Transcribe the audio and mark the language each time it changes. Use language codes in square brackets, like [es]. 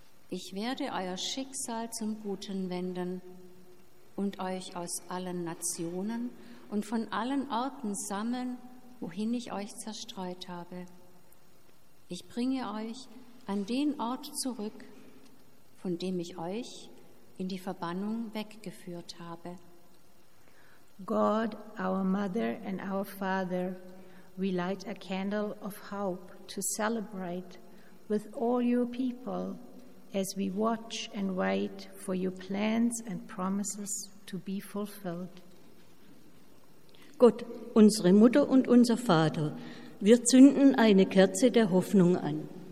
[de] Ich werde euer Schicksal zum Guten wenden und euch aus allen Nationen und von allen Orten sammeln, wohin ich euch zerstreut habe. Ich bringe euch an den Ort zurück, von dem ich euch in die Verbannung weggeführt habe. [en] God, our mother and our father, we light a candle of hope to celebrate with all your people as we watch and wait for your plans and promises to be fulfilled. [de] Gott, unsere Mutter und unser Vater, wir zünden eine Kerze der Hoffnung an.